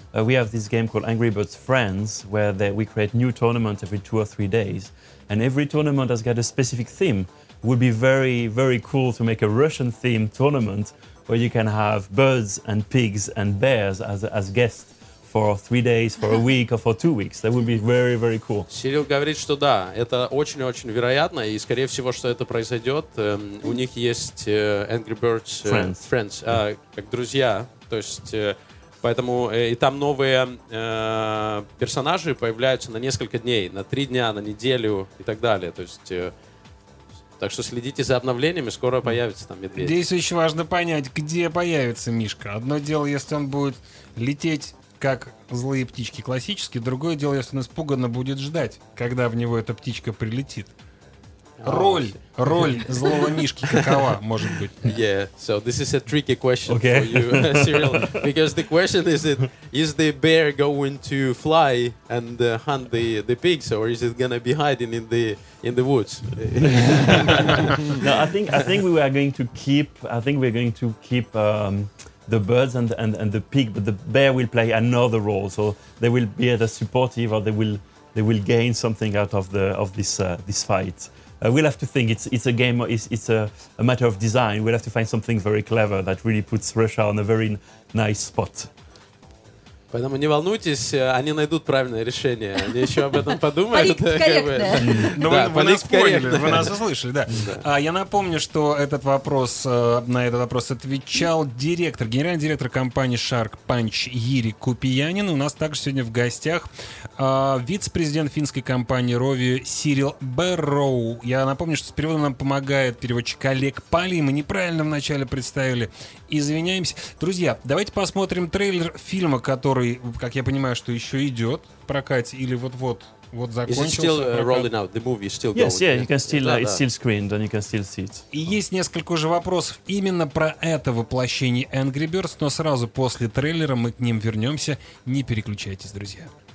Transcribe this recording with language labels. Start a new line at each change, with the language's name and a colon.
English: We have this game called Angry Birds Friends, where we create new tournaments every two or three days, and every tournament has got a specific theme. It would be very, very cool to make a Russian-themed tournament where you can have birds and pigs and bears as guests for 3 days, for a week, or for 2 weeks. That would be very, very cool.
Russian: Cyril говорит, что да, это очень-очень вероятно, и скорее всего, что это произойдет. У них есть Angry Birds
English: Friends,
Russian: как друзья. То есть, поэтому и там новые персонажи появляются на несколько дней, на 3 дня, на неделю и так далее. То есть, так что следите за обновлениями, скоро появится там медведь. Здесь очень важно понять, где появится Мишка. Одно дело, если он будет лететь, как злые птички классические, другое дело, если он испуганно будет ждать, когда в него эта птичка прилетит. Роль злого Мишки какова, может быть?
English: Yeah, so this is a tricky question for you, Cyril. Because the question is the bear going to fly and hunt the pigs, or is it going to be hiding in the woods? No, I think we're going to keep the birds and the pig, but the bear will play another role. So they will be either supportive or they will gain something out of this fight. We'll have to think. It's a game. It's a matter of design. We'll have to find something very clever that really puts Russia on a very nice spot.
Russian: Поэтому не волнуйтесь, они найдут правильное решение. Они еще об этом подумают. Вы нас услышали, да. А я напомню, что на этот вопрос отвечал генеральный директор компании Shark Punch Jiri Kupiainen. У нас также сегодня в гостях вице-президент финской компании Rovio Cyril Barrow. Я напомню, что с переводом нам помогает переводчик Олег Пали. Мы неправильно вначале представили. Извиняемся. Друзья, давайте посмотрим трейлер фильма, который, как я понимаю, что еще идет в прокате или вот-вот закончился.
English: Is it still rolling out? The movie is still going? Yes, yeah, you can still, it's still screened and you can still see it.
Russian: И есть несколько уже вопросов именно про это воплощение Angry Birds, но сразу после трейлера мы к ним вернемся. Не переключайтесь, друзья.